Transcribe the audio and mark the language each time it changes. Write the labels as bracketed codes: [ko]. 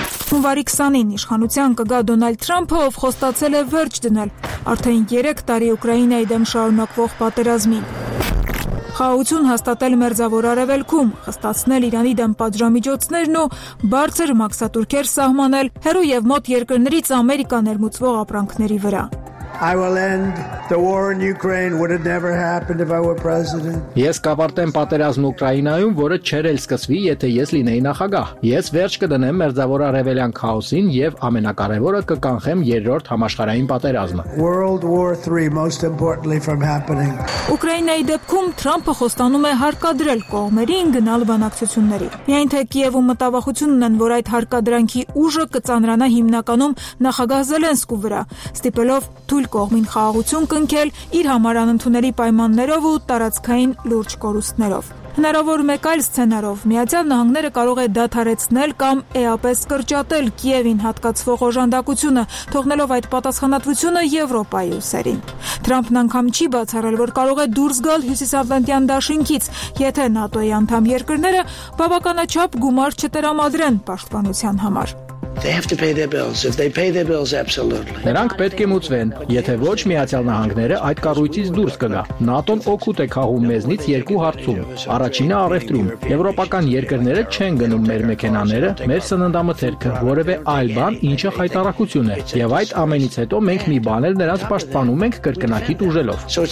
[hy] Հունվարի 20-ին իշխանության կգա Դոնալդ Թրամփը, ով խոստացել է վերջ դնել արդեն 3 տարի Ուկրաինայի դեմ շարունակվող պատերազմին։ Խաղաղություն հաստատել մերձավոր արևելքում, խստացնել Իրանի դեմ պատժամիջոցներն ու բարձր մակսատուրքեր սահմանել հերոյ եւ մոտ երկրներից Ամերիկա ներմուծվող ապրանքների վրա։ [en] I will end the war in Ukraine would have never happened if I were president. [hy] Ես կապարտեմ պատերազմ Ուկրաինայում, որը չէր էլ սկսվի, եթե ես լինեի նախագահ։ Ես վերջ կդնեմ մերձավոր արևելյան քաոսին եւ ամենակարևորը կկանխեմ երրորդ համաշխարհային պատերազմը։ [en] World War 3 most importantly from happening. [hy] Ուկրաինայի դեպքում Թրամփը խոստանում է հարկադրել կողմերին գնալ բանակցությունների։ Միայն թե Կիևը մտավախություն ունեն, որ այդ հարկադրանքի ուժը կծանրանա հիմնականում նախագահ Զելենսկու վրա, ստիպելով թույլ կողմին խաղաղություն կնքել իր համար անընդունելի պայմաններով ու տարածքային լուրջ կորուստներով։ Հնարավոր մեկ այլ սցենարով Միացյալ Նահանգները կարող է դադարեցնել կամ էապես կրճատել Կիևին հատկացվող օժանդակությունը, թողնելով այդ պատասխանատվությունը Եվրոպայի ուսերին։ Թրամփն անգամ չի բացառել, որ կարող է դուրս գալ Հյուսիսատլանտյան դաշինքից, եթե ՆԱՏՕ-ի անդամ երկրները բավականաչափ գումար չտրամադրեն պաշտպանության համար։ [en] They have to pay their bills. If they pay their bills, absolutely. [hy] Նրանք պետք է մուծվեն, եթե ոչ Միացյալ Նահանգները այդ կառույցից դուրս գնա։ ՆԱՏՕ-ն օգուտ է քաղում մեզնից երկու հարցում։ Առաջինը՝ առևտրում։ Եվրոպական երկրները չեն գնում մեր մեքենաները, մեր սննդամթերքը, որևէ այլ բան, ինչը հայտարարություն է։ Եվ այդ ամենից հետո մենք մի բան էլ նրանց պաշտպանում ենք կրկնակի դուժելով։